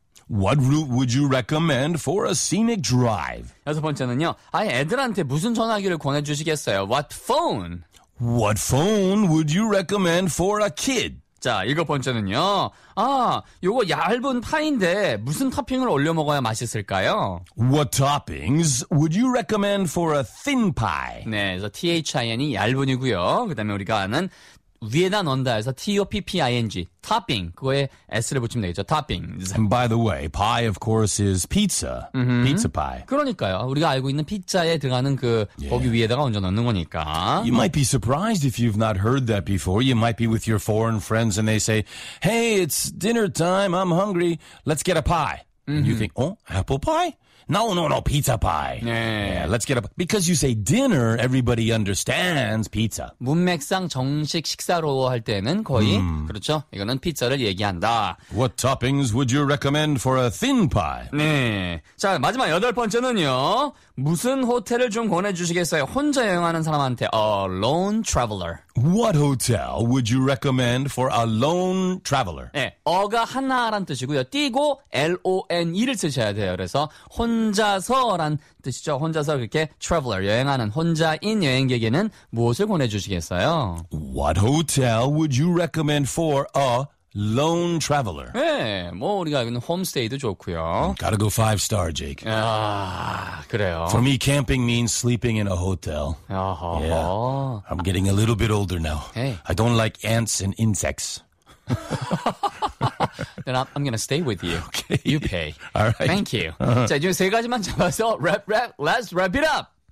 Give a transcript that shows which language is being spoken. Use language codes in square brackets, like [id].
[en] What route would you recommend for a scenic drive? [ko] 여섯 번째는요. 아예 애들한테 무슨 전화기를 권해주시겠어요? [en] What phone? What phone would you recommend for a kid? [ko] 자, 일곱 번째는요. 아, 요거 얇은 파인데 무슨 토핑을 올려 먹어야 맛있을까요? [en] What toppings would you recommend for a thin pie? [ko] 네, 그래서 T-H-I-N이 얇은이고요. 그 다음에 우리가 아는 위에다 넣는다 해서 T-O-P-P-I-N-G, topping, 그거에 S를 붙이면 되겠죠, toppings. [en] And by the way, pie of course is pizza, pizza pie. [ko] 그러니까요, 우리가 알고 있는 피자에 들어가는 그 yeah. 거기 위에다가 얹어 넣는 거니까. [en] You might be surprised if you've not heard that before. You might be with your foreign friends and they say, hey, it's dinner time, I'm hungry, let's get a pie. And you think, oh, apple pie? No, pizza pie. [ko] 네. [en] Yeah, let's get up. Because you say dinner, everybody understands pizza. [ko] 문맥상 정식 식사로 할 때는 거의, 그렇죠? 이거는 피자를 얘기한다. [en] What toppings would you recommend for a thin pie? [ko] 네. 자, 마지막 여덟 번째는요. 무슨 호텔을 좀 권해주시겠어요? 혼자 여행하는 사람한테. [en] A lone traveler. What hotel would you recommend for a lone traveler? [ko] 네. 어가 하나란 뜻이고요. 띄고 L-O-N-E를 쓰셔야 돼요. 그래서 혼자서란 뜻이죠. 혼자서 그렇게 traveler, 여행하는, 혼자인 여행객에는 무엇을 권해주시겠어요? What hotel would you recommend for a lone traveler? 네, 뭐 우리가 홈스테이도 좋고요. [en] Gotta go five star, Jake. [ko] 아, 그래요. [en] For me, camping means sleeping in a hotel. Yeah. I'm getting a little bit older now. Hey. I don't like ants and insects. Then I'm going to stay with you. Okay. You pay. All right. Thank you. [ko] Uh-huh. 자, 이제 세 가지만 잡아서 랩, [en] let's wrap it up.